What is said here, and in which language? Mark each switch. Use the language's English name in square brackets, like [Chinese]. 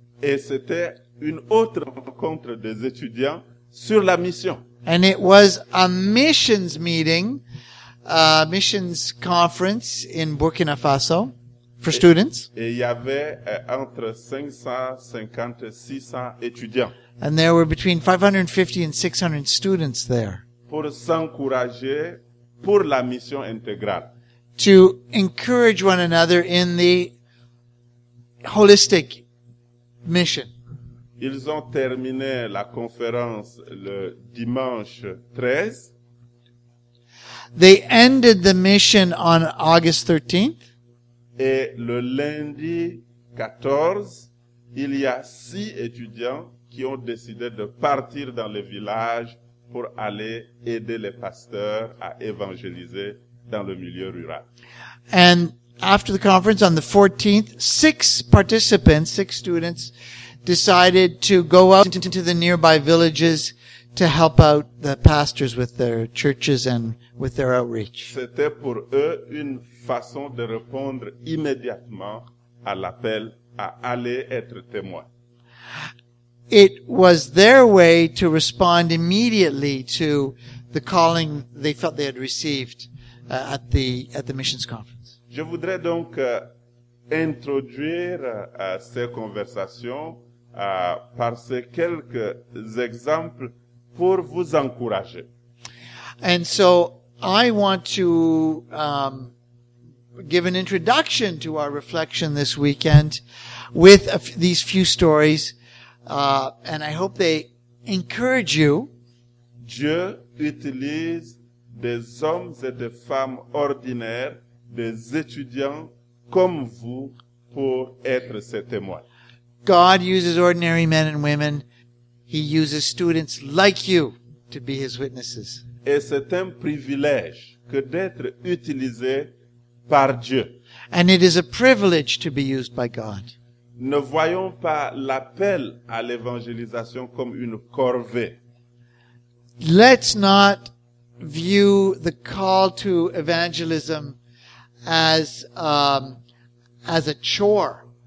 [French] Et c'était une autre rencontre des étudiants sur la mission. [English] And it was a missions meeting, a missions conference in Burkina Faso for students. [French] Et il y avait entre 550 et 600 étudiants. [English] And there were between 550 and 600 students there. [French] Pour s'encourager pour la mission intégrale. [English] To encourage one another in the holistic mission. [French] Ils ont terminé la conférence le dimanche 13. [English] They ended the mission on August 13th. [French] Et le lundi 14, il y a 6 étudiants qui ont décidé de partir dans le village pour aller aider les pasteurs à évangéliser dans le milieu rural. [English] And after the conference on the 14th, 6 participants, 6 students, decided to go out into the nearby villages to help out the pastors with their churches and with their outreach. [French] C'était pour eux une façon de répondre immédiatement à l'appel à aller être témoin. [English] It was their way to respond immediately to the calling they felt they had received at the missions conference. [French] Je voudrais donc introduire ces conversations par ces quelques exemples pour vous encourager. [English] And so I want to give an introduction to our reflection this weekend with these few stories, and I hope they encourage you. [French] Dieu utilise des hommes et des femmes ordinaires, des étudiants comme vous, pour être ses témoins. [English] God uses ordinary men and women. He uses students like you to be his witnesses. [French] Et c'est un privilège que d'être utilisé par Dieu. [English] And it is a privilege to be used by God. [French] Ne voyons pas l'appel à l'évangélisation comme une corvée. [English] Let's not view the call to evangelism as a chore.